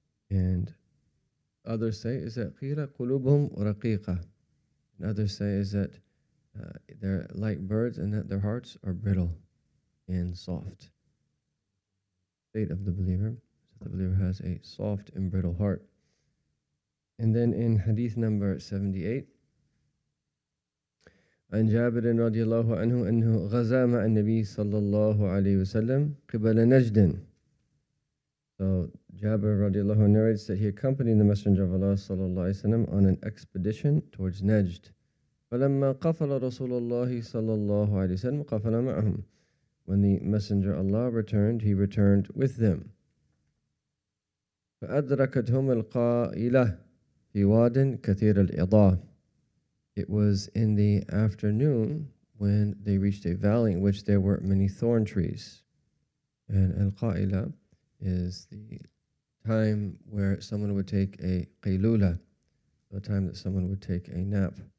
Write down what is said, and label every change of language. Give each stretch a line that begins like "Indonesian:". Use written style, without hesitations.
English: And others say is that qira qulubhum raqiqa. And others say is that they're like birds and that their hearts are brittle and soft. State of the believer. So the believer has a soft and brittle heart. And then in hadith number 78,
Arabic: عن جابر رضي الله عنه أنه غزا مع النبي صلى الله عليه وسلم قبل نجد.
English: So Jabir
Arabic: رضي الله عنه
English: narrates that he accompanied the Messenger of Allah
Arabic: صلى الله عليه وسلم
English: on an expedition towards Najd.
Arabic: فلما قفل رسول الله صلى الله عليه وسلم قفل معهم.
English: When the Messenger of Allah returned, he returned with them.
Arabic: فأدركتهم القائلة في واد كثير الإضاء.
English: It was in the afternoon when they reached a valley in which there were many thorn trees. And al-qa'ila is the time where someone would take a qailula, the time that someone would take a nap.